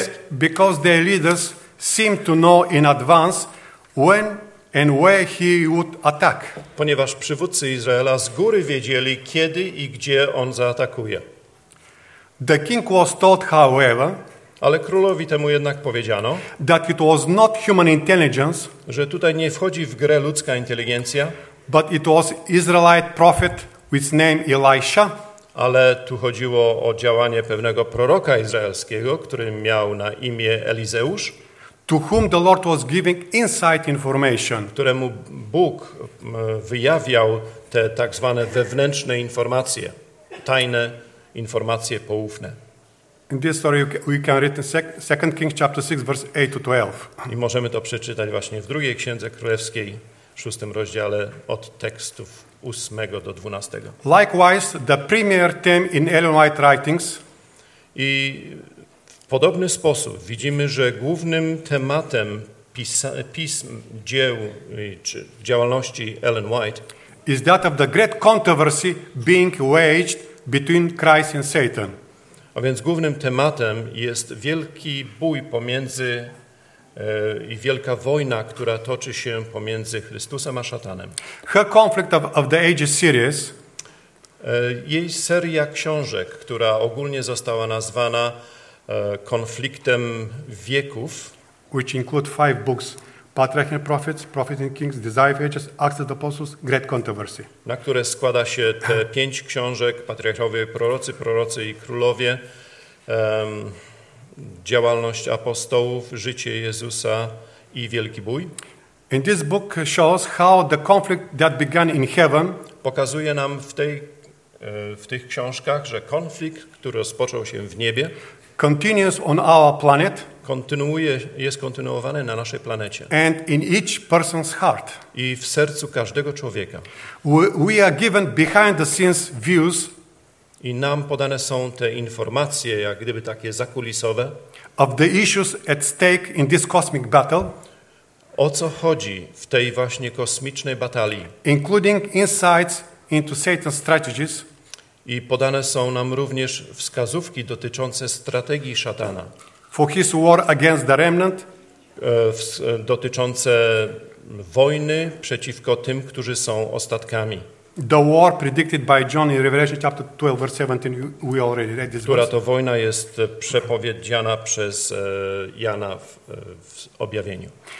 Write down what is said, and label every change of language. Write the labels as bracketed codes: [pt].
[en] Because the leaders seemed to know in advance when and where he would attack. [pl] Ponieważ przywódcy Izraela z góry wiedzieli, kiedy i gdzie on zaatakuje. [en] The king was told, however, [pl] ale królowi temu jednak powiedziano, [en] that it was not human intelligence, [pl] że tutaj nie wchodzi w grę ludzka inteligencja, [en] but it was Israelite prophet with name Elisha. [pl] Ale tu chodziło o działanie pewnego proroka izraelskiego, który miał na imię Elizeusz, [en] to whom the Lord was giving inside information, [pl] któremu Bóg wyjawiał te tak zwane wewnętrzne informacje, tajne informacje poufne. [en] In this story we can read in 2 Kings chapter 6 verse 8 to 12. [pl] I możemy to przeczytać właśnie w drugiej księdze królewskiej, szóstym rozdziale, od tekstów 8 do 12. [en] Likewise, the premier theme in Ellen White writings. [pl] I w podobny sposób widzimy, że głównym tematem pism dzieł czy działalności Ellen White [en] is that of the great controversy being waged between Christ and Satan. [pl] A więc głównym tematem jest wielki bój pomiędzy i wielka wojna, która toczy się pomiędzy Chrystusem a szatanem. [en] Her Conflict of the Ages series. [pl] Jej seria książek, która ogólnie została nazwana Konfliktem Wieków, [en] which include 5 books: Patriarchs and Prophets, Prophets and Kings, Desire of Ages, Acts of the Apostles, Great Controversy. [pl] Na które składa się te 5 książek: Patriarchowie, Prorocy, Prorocy i Królowie, Działalność apostołów, Życie Jezusa i Wielki Bój. [en] In this book shows how the conflict that began in heaven, [pl] pokazuje nam w tych książkach, że konflikt, który rozpoczął się w niebie, [en] continues on our planet, [pl] jest kontynuowany na naszej planecie. [en] And in each person's heart, [pl] i w sercu każdego człowieka. [en] We are given behind the scenes views, [pl] i nam podane są te informacje, jak gdyby takie zakulisowe, [en] of the issues at stake in this cosmic battle, [pl] o co chodzi w tej właśnie kosmicznej batalii, [en] including insights into Satan's strategies, [pl] i podane są nam również wskazówki dotyczące strategii szatana, [en] for his war against the remnant, [pl] dotyczące wojny przeciwko tym, którzy są ostatkami. [en] The war predicted by John in Revelation chapter 12 verse 17, we already read this. [pl] Która to wojna jest przepowiedziana przez Jana w objawieniu.